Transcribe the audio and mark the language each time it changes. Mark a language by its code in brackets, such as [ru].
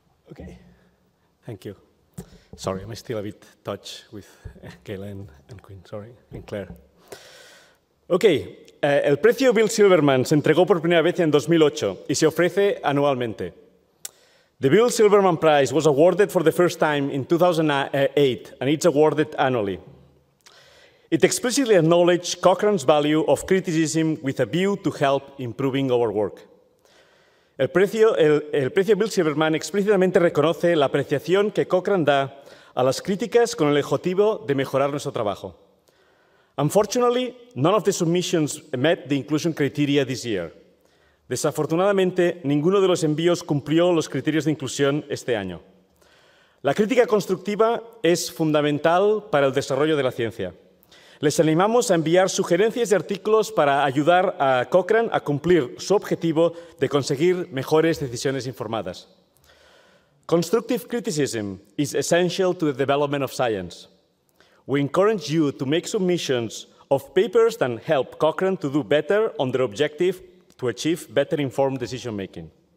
[en] Okay, thank you. Sorry, I'm still a bit touched with Kayla and Quinn, sorry, and Claire. [es] Okay, el precio Bill Silverman se entregó por primera vez en 2008 y se ofrece anualmente. [en] The Bill Silverman Prize was awarded for the first time in 2008 and it's awarded annually. It explicitly acknowledged Cochrane's value of criticism with a view to help improving our work. [es] El precio Bill Silverman explícitamente reconoce la apreciación que Cochrane da a las críticas con el objetivo de mejorar nuestro trabajo. [en] Unfortunately, none of the submissions met the inclusion criteria this year. [es] Desafortunadamente, ninguno de los envíos cumplió los criterios de inclusión este año. La crítica constructiva es fundamental para el desarrollo de la ciencia. Les animamos a enviar sugerencias de artículos para ayudar a Cochrane a cumplir su objetivo de conseguir mejores decisiones informadas. [en] Constructive criticism is essential to the development of science. We encourage you to make submissions of papers that help Cochrane to do better on their objective to achieve better informed decision making.